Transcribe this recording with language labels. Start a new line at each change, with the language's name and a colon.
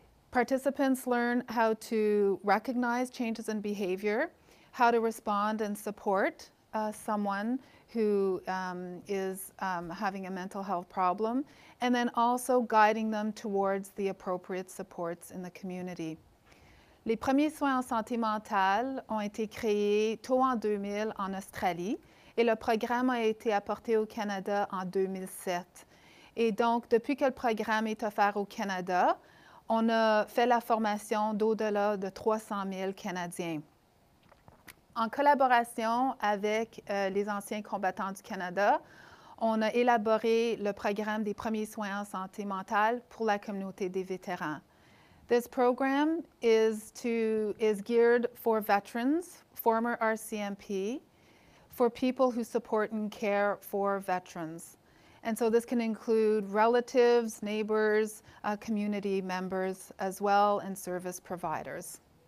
English: Participants learn how to recognize changes in behavior, how to respond and support someone who is having a mental health problem, and then also guiding them towards the appropriate supports in the community.
French: Les premiers soins en santé mentale ont été créés tôt en 2000 en Australie et le programme a été apporté au Canada en 2007. Et donc, depuis que le programme est offert au Canada, on a fait la formation d'au-delà de 300 000 Canadiens. En collaboration avec les anciens combattants du Canada, on a élaboré le programme des premiers soins en santé mentale pour la communauté des vétérans.
English: This program is geared for veterans, former RCMP, for people who support and care for veterans. And so this can include relatives, neighbors, community members as well, and service providers.